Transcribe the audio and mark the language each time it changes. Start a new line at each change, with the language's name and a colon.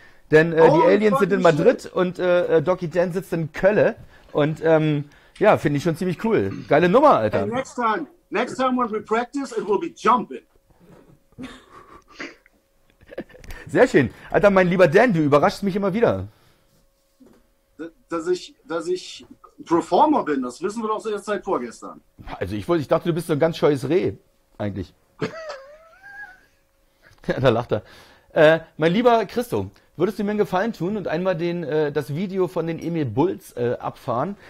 German: Denn die Aliens sind in Madrid und Doggy Dan sitzt in Kölle. Und ja, finde ich schon ziemlich cool. Geile Nummer, Alter.
English: Hey, next time when we practice, it will be jumping.
German: Sehr schön. Alter, mein lieber Dan, du überraschst mich immer wieder. Dass ich Performer bin, das wissen wir doch so jetzt seit vorgestern. Also ich dachte, du bist so ein ganz scheues Reh, eigentlich. Ja, da lacht er. Mein lieber Christo, würdest du mir einen Gefallen tun und einmal das Video von den Emil Bulls abfahren?